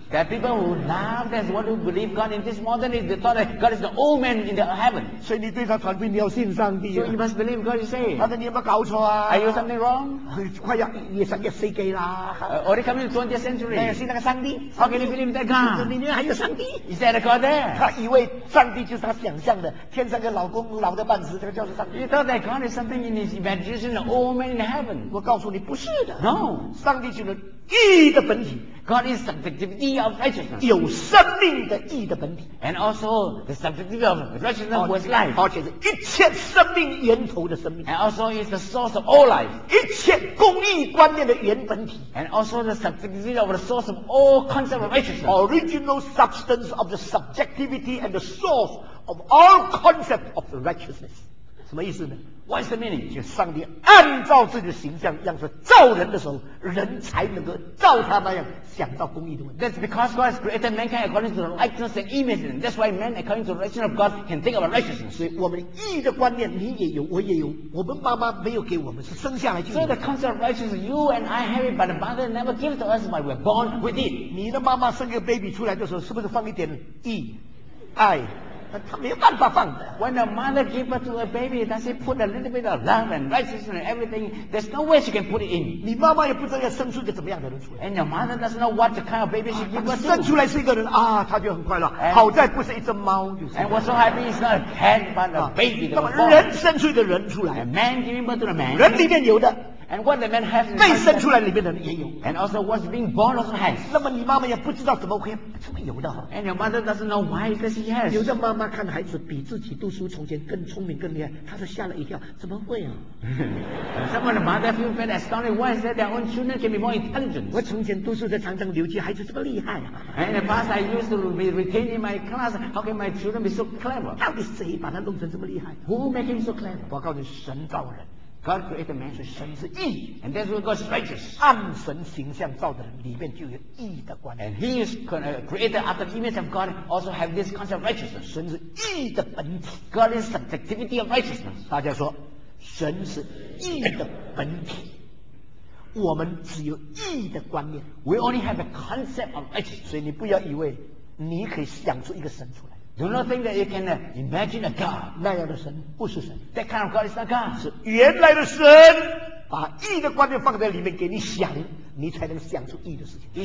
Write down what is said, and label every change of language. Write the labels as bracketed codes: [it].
[en] That people who now that want to believe God in this modern age, they thought that God is the old man in the heaven. [zh] 所以你对他传福音你要信上帝。 [en] So you must believe God is saying. [zh] 他说你有没有搞错啊 [en] ？Are you something wrong？ [zh] 快要21世纪啦。 [en] Already coming to 20th century. [zh] 你要信那个上帝 [en] ？How can you believe that God？ [zh] 里面还有上帝 [en] ？Is there a God there？ [zh] 他以为上帝就是他想象的天上一个老公老的半死，他就是上帝。 [en] You thought that God is something in his imagination, an old man in heaven？ [zh] 我告诉你不是的。 [en] No， [zh] 上帝就是义的本体。 [en] God is subjectivity of righteousness， [zh] 有生命的义的本体。 [en] And also the subjectivity of righteousness was life， [zh] 而且是一切生命源头的生命。 [en] And also is the source of all life， [zh] 一切公义观念的原本体。 [en] And also the subjectivity of the source of all concept of righteousness， original substance of the subjectivity and the source of all concept of righteousness。 [zh] 什么意思呢？ [en] What is the meaning？ [zh] 就上帝按照自己的形象样式造人的时候，人才能够照他那样想到公义的问题。 [en] That's because God has created mankind according to the likeness and image of him. That's why man, according to the righteousness of God, can think about righteousness. [zh] 所以我们义的观念你也有，我也有。我们妈妈没有给我们，是生下来就有。 [en] So the concept of righteousness, you and I have it, but the mother never gave it to us, but we're born with it. [zh] 你的妈妈生个 baby 出来的时候，是不是放一点义、爱？他没有办法放的。 [en] When a mother gives birth to a baby, does she put a little bit of love and righteousness and everything? There's no way she can put it in. [zh] 你妈妈也不知道要生出一个怎么样的人出来。 [en] And your mother doesn't know what kind of baby she gives birth to. [zh] 生出来是一个人啊，他就很快乐。好在不是一只猫，就是。 [en] And what's so happy is not a cat but a baby. [zh] 那么人生出一个人出来。 [en] A man giving birth to a man. [zh] 人里面有的。 [en] And what the man has [zh] 被生出来里面的人也有。 [en] And also what's being born also has. [zh] 那么你妈妈也不知道怎么会怎么有的。 [en] And your mother doesn't know why that she has. [zh] 有的妈妈看孩子比自己读书从前更聪明更厉害，她就吓了一跳，怎么会啊？ [en] Someone's mother feels very astonished. Why is that their own children can be more intelligent? [zh] 我从前读书在长江留级，孩子这么厉害啊。 [en] And in the past I used to be retained in my class. How can my children be so clever? [zh] 到底谁把他弄成这么厉害？ [en] Who make him so clever? [zh] 我告诉你，神造人。 [en] God created man， [zh] 所以神是义。 [en] And that's why God's righteous。 [zh] 按神形象造的人，里面就有义的观念。 [en] And he is created after the image of God, also have this concept of righteousness。 [zh] 神是义的本体。 [en] God is subjectivity of righteousness。 [zh] 大家说，神是义的本体。我们只有义的观念。 [en] We only have a concept of righteousness。 [zh] 所以你不要以为你可以想出一个神出来。 [en] Do not think that you can imagine a God. [zh] 那样的神不是神。 [en] That kind of God is not God. [zh] 是原来的神把义的观念放在里面给你想，你才能想出义的事情。